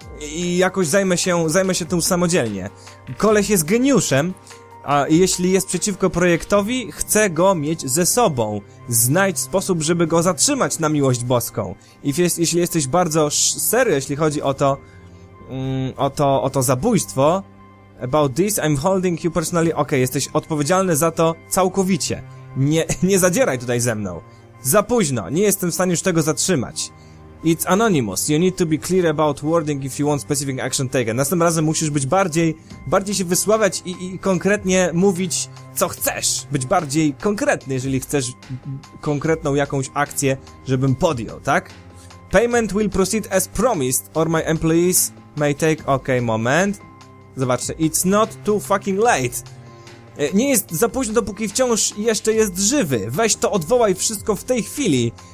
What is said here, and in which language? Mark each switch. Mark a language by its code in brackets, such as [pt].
[pl] I jakoś zajmę się tym samodzielnie. Koleś jest geniuszem, a jeśli jest przeciwko projektowi, chcę go mieć ze sobą. Znajdź sposób, żeby go zatrzymać, na miłość boską. I jeśli jesteś bardzo serio, jeśli chodzi o to, o to zabójstwo. [en] About this, I'm holding you personally. [pl] Okej, jesteś odpowiedzialny za to całkowicie. Nie zadzieraj tutaj ze mną. Za późno, nie jestem w stanie już tego zatrzymać. [en] It's anonymous. You need to be clear about wording if you want specific action taken. [pl] Następnym razem musisz być bardziej się wysławiać i konkretnie mówić, co chcesz. Być bardziej konkretny, jeżeli chcesz konkretną jakąś akcję, żebym podjął, tak? [en] Payment will proceed as promised, or my employees may take... Okay, [pl] moment. Zobaczcie. [en] It's not too fucking late. [pl] Nie jest za późno, dopóki wciąż jeszcze jest żywy. Weź to, odwołaj wszystko w tej chwili.